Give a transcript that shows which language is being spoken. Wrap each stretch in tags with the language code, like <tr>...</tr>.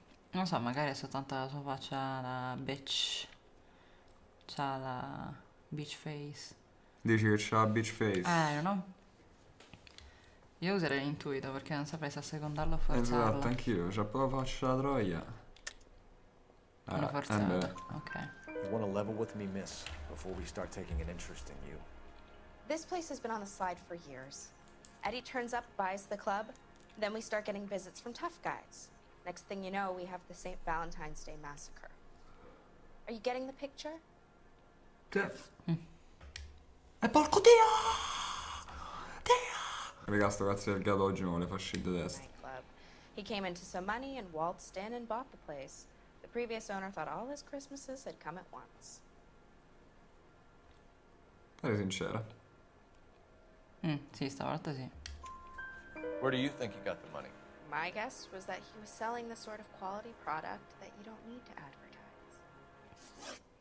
<it>Non so, magari è soltanto la sua faccia da bitch. C'ha la bitch face. Dici che c'ha la bitch face? Non no. Io userei l'intuito perché non saprei se assecondarlo o forzarlo. Esatto, anch'io. C'ha proprio la faccia da troia. Una forzata, ok.</it> <en>You want to level with me, miss, before we start taking an interest in you? This place has been on the slide for years. Eddie turns up, buys the club, then we start getting visits from tough guys. Next thing you know, we have the St. Valentine's Day massacre. Are you getting the picture?</en> <it>Death. E porco Dio! Dio! Ragazzi, ragazzi, il gado oggi non le fa scendere destra.</it> <en>He came into some money and waltzed in and bought the place. The previous owner thought all his Christmases had come at once.</en> <it>Pare sincera. Sì, stavolta sì.</it> <en>Where do you think you got the money? My guess was that he was selling the sort of quality product that you don't need to advertise.</en>